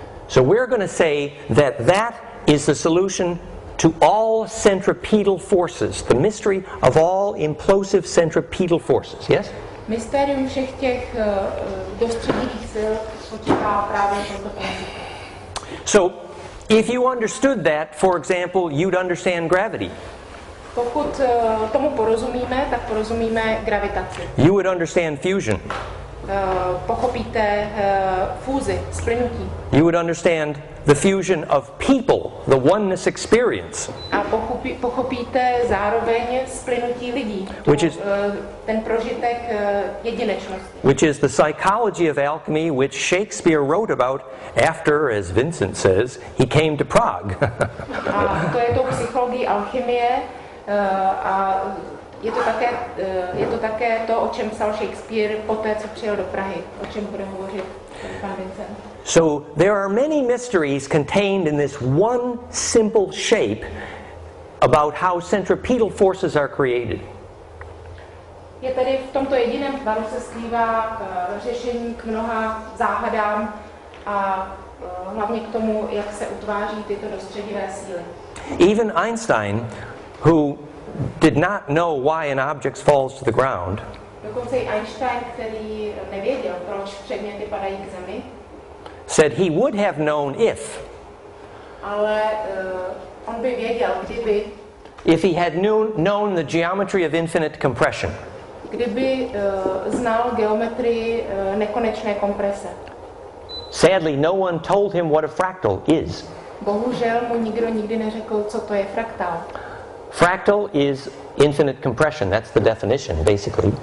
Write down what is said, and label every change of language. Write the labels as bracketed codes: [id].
[en] So we're going to say that that is the solution to all centripetal forces, the mystery of all implosive centripetal forces, yes? [cs] Mysterium všech těch dostředivých sil spočívá právě v tomto principu. [en] So, if you understood that, for example, you'd understand gravity. [cs] Pokud tomu porozumíme, tak porozumíme gravitaci. [en] You would understand fusion. [cs] Pochopíte fúzi, splynutí. [en] You would understand the fusion of people, the oneness experience. [cs] A pochopíte zároveň splynutí lidí, ten prožitek jedinečnosti. [en] Which is the psychology of alchemy, which Shakespeare wrote about after, as Vincent says, he came to Prague. [cs] A to je to psychologie alchymie, a je to také to, o čem psal Shakespeare poté, co přijel do Prahy, o čem bude hovořit pan Vincent. [en] So there are many mysteries contained in this one simple shape about how centripetal forces are created. [cs] Je tady v tomto jediném tvaru se skrývá řešení k mnoha záhadám a hlavně k tomu, jak se utváří tyto dostředivé síly. [en] Even Einstein, who did not know why an object falls to the ground, [cs] dokonce i Einstein, který nevěděl, proč předměty padají k zemi, [en] said he would have known if. [cs] Ale on by věděl, kdyby. [en] If he had known the geometry of infinite compression. [cs] Kdyby znal geometrii nekonečné komprese. [en] Sadly, no one told him what a fractal is. [cs] Bohužel mu nikdo nikdy neřekl, co to je fraktál. [en] Fractal is infinite compression. That's the definition, basically.